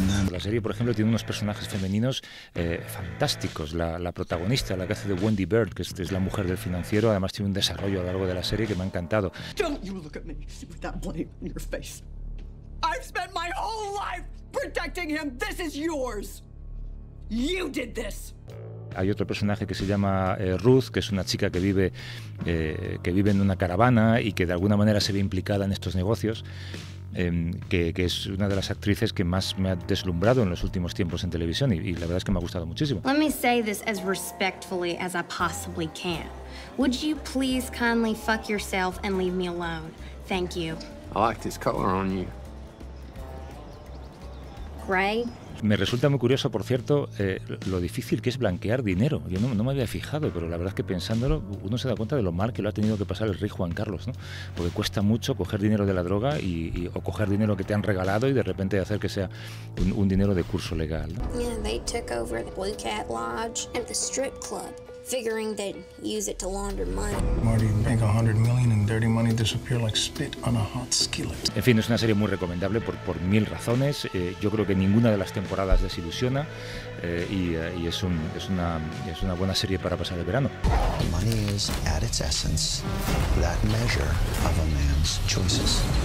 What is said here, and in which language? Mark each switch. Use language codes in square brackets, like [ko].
[es] La serie, por ejemplo, tiene unos personajes femeninos fantásticos. La protagonista, la que hace de Wendy Bird, que es la mujer del financiero, además tiene un desarrollo a lo largo de la serie que me ha encantado. [en] Don't you look at me with that blame on your face. I've spent my whole life protecting him. This is yours. You did this. [es] Hay otro personaje que se llama Ruth, que es una chica que vive en una caravana y que de alguna manera se ve implicada en estos negocios. Que es una de las actrices que más me ha deslumbrado en los últimos tiempos en televisión, y la verdad es que me ha gustado muchísimo. [en] Let me say this as respectfully as I possibly can. Would you please kindly fuck yourself and leave me alone? Thank you. I like this color on you. Gray. [es] Me resulta muy curioso, por cierto, lo difícil que es blanquear dinero. Yo no me había fijado, pero la verdad es que pensándolo, uno se da cuenta de lo mal que lo ha tenido que pasar el rey Juan Carlos, ¿no? Porque cuesta mucho coger dinero de la droga o coger dinero que te han regalado y de repente hacer que sea un dinero de curso legal, ¿no? [en] Yeah, they took over the Blue Cat Lodge and the strip club, figuring they'd use it to launder money. Marty, make $100 million and dirty money disappear like spit on a hot skillet. [es] En fin, es una serie muy recomendable por mil razones. Yo creo que ninguna de las temporadas desilusiona y es una buena serie para pasar el verano. [en] Money is, at its essence, that measure of a man's choices.